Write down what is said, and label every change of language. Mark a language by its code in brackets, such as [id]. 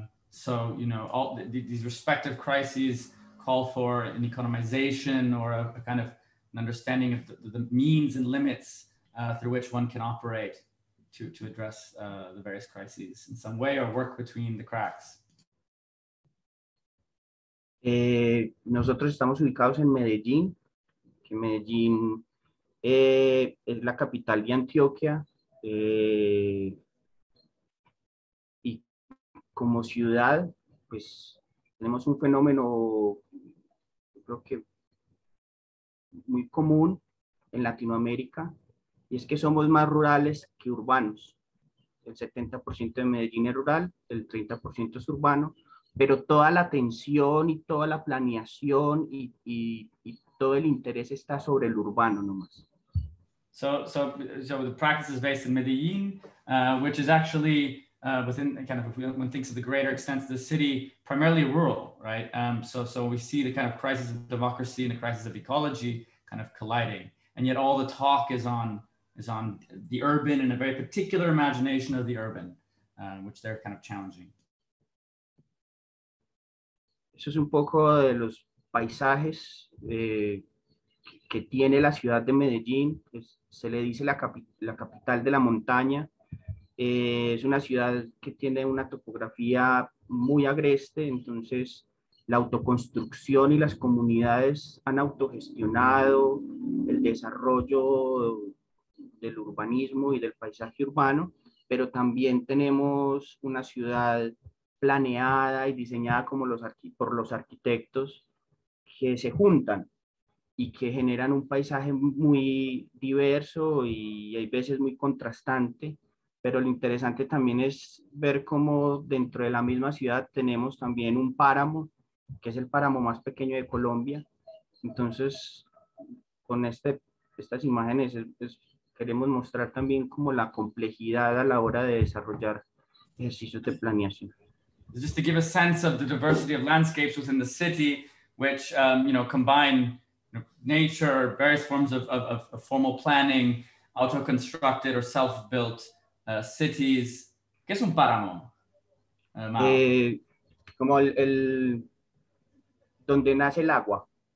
[en] So, you know, all these respective crises call for an economization or a kind of an understanding of the means and limits through which one can operate to address the various crises in some way or work between the cracks. [es] Nosotros estamos ubicados en Medellín, que Medellín es la capital de Antioquia y como ciudad, pues tenemos un fenómeno, creo que muy común en Latinoamérica y es que somos más rurales que urbanos. El 70% de Medellín es rural, el 30% es urbano. Pero toda la atención y toda la planeación y todo el interés está sobre el urbano nomás. [en] So the practice is based in Medellín, which is actually within kind of, if one thinks of the greater extent of the city, primarily rural, right? So we see the kind of crisis of democracy and the crisis of ecology kind of colliding. And yet all the talk is on the urban and a very particular imagination of the urban, which they're kind of challenging. [es] Eso es un poco de los paisajes que tiene la ciudad de Medellín. Pues se le dice la capital de la montaña. Es una ciudad que tiene una topografía muy agreste, entonces la autoconstrucción y las comunidades han autogestionado el desarrollo del urbanismo y del paisaje urbano, pero también tenemos una ciudad planeada y diseñada por los arquitectos que se juntan y que generan un paisaje muy diverso y hay veces muy contrastante, pero lo interesante también es ver cómo dentro de la misma ciudad tenemos también un páramo, que es el páramo más pequeño de Colombia. Entonces, con estas imágenes queremos mostrar también como la complejidad a la hora de desarrollar ejercicios de planeación. [en] Just to give a sense of the diversity of landscapes within the city, which combine nature, various forms of formal planning, auto-constructed or self-built cities. [es] ¿Qué es un páramo? Como el donde nace el agua.